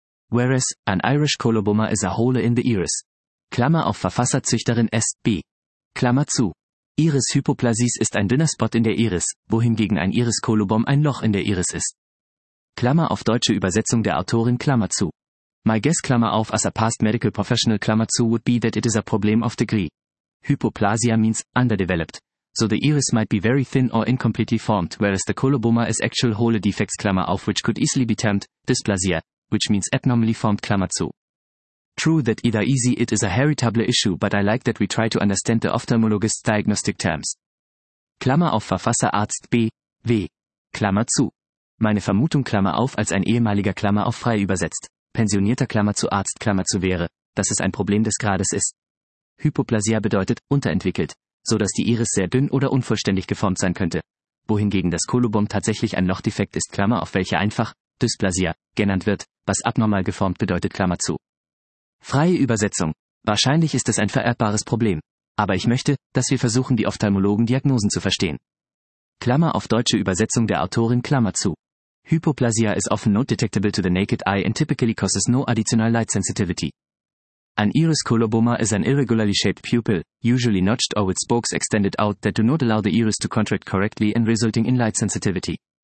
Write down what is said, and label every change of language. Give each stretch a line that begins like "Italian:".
English: Whereas, an Irish Coloboma is a hole in the iris.
German: Klammer auf, Verfasserzüchterin S.B. Klammer zu. Iris Hypoplasies ist ein dünner Spot in der Iris, wohingegen ein Iris Kolobom ein Loch in der Iris ist. Klammer auf, deutsche Übersetzung der Autorin, Klammer zu.
English: My guess,
German: Klammer auf,
English: as a past medical professional,
German: Klammer zu,
English: would be that it is a problem of degree. Hypoplasia means underdeveloped. So the iris might be very thin or incompletely formed, whereas the coloboma is actual hole defects,
German: Klammer auf,
English: which could easily be termed dysplasia, which means abnormally formed,
German: Klammer zu.
English: True that either easy it is a heritable issue, but I like that we try to understand the ophthalmologist's diagnostic terms.
German: Klammer auf, Verfasser Arzt B. W. Klammer zu. Meine Vermutung, Klammer auf, als ein ehemaliger, Klammer auf, frei übersetzt, pensionierter, Klammer zu, Arzt, Klammer zu, wäre, dass es ein Problem des Grades ist. Hypoplasia bedeutet unterentwickelt, so dass die Iris sehr dünn oder unvollständig geformt sein könnte. Wohingegen das Kolobom tatsächlich ein Lochdefekt ist, Klammer auf, welche einfach Dysplasia genannt wird, was abnormal geformt bedeutet, Klammer zu. Freie Übersetzung. Wahrscheinlich ist es ein vererbbares Problem. Aber ich möchte, dass wir versuchen, die Ophthalmologen Diagnosen zu verstehen. Klammer auf, deutsche Übersetzung der Autorin, Klammer zu.
English: Hypoplasia is often not detectable to the naked eye and typically causes no additional light sensitivity. An iris coloboma is an irregularly shaped pupil, usually notched or with spokes extended out that do not allow the iris to contract correctly and resulting in light sensitivity.